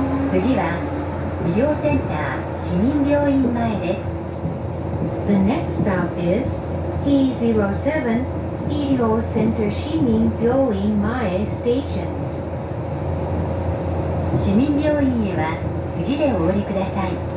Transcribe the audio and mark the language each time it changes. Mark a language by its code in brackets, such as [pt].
[ja] 次は医療センター市民病院前です。 [en] The next stop is E07 医療センター市民病院前 station。 [ja] 市民病院へは次でお降りください。